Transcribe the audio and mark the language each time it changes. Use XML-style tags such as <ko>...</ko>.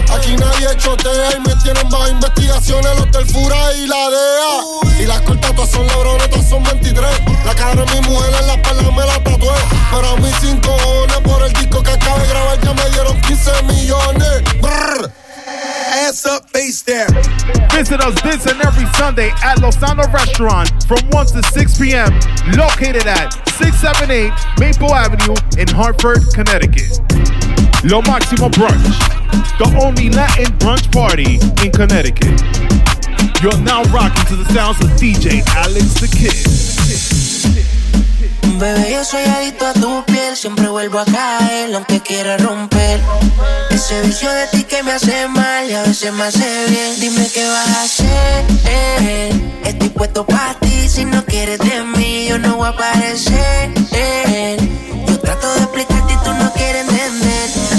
<es>Aquí nadie chotea y me tienen bajo investigaciones. Los del Fura y la DEA. Y las cortas todas son labrones, todas son 23. La cara de mi mujer en la espalda me la tatué. Pero a mí sin cojones por el disco que acabo de grabar ya me dieron 15 millones.</es> <en>Ass up, face down. Visit us this and every Sunday at Lozano Restaurant from 1 to 6 p.m. Located at 678 Maple Avenue in Hartford, Connecticut. Lo Máximo Brunch, the only Latin brunch party in Connecticut. You're now rocking to the sounds of DJ Alex the Kid.</en> <es>Bebé, yo soy adicto a tu piel. Siempre vuelvo a caer, aunque quiera romper. Ese vicio de ti que me hace mal y a veces me hace bien. Dime qué vas a hacer. Estoy puesto para ti. Si no quieres de mí, yo no voy a aparecer. Yo trato de explicarte y tú no quieres entender.</es>